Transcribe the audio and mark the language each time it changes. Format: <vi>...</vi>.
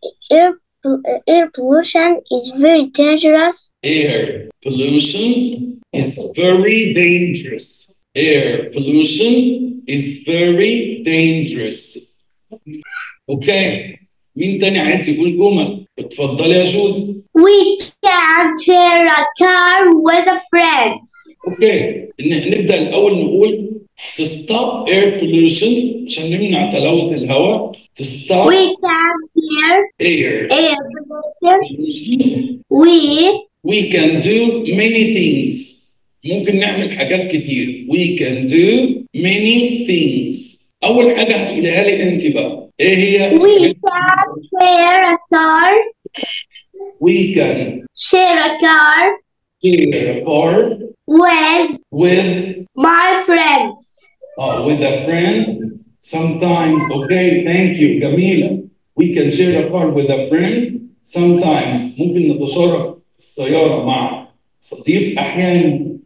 <en>Air pollution is very dangerous. Air pollution is very dangerous. Air pollution is very dangerous. Okay.</en> <ar>مين تاني عايز يقول جمل؟ اتفضل يا جود.</ar> <en>We can share a car with a friend.</en> <ar>Okay. نبدأ الأول نقول</ar> <en>to stop air pollution</en> <ar>عشان نمنع تلوث الهواء.</ar> <en>To stop. We can share air pollution. We can do many things.</en> <ar>ممكن نعمل حاجات كتير.</ar> <en>We can do many things.</en> <ar>أول حاجة هتقولها لي أنت بقى. إيه هي؟</ar> <en>We can share a car. We can share a car. Share a car. With my friends. With a friend. Sometimes. Okay, thank you.</en> <ar>جميلة.</ar> <en>We can share a car with a friend. Sometimes.</en> <ar>ممكن نتشارك السيارة مع صديق أحيانا.</ar>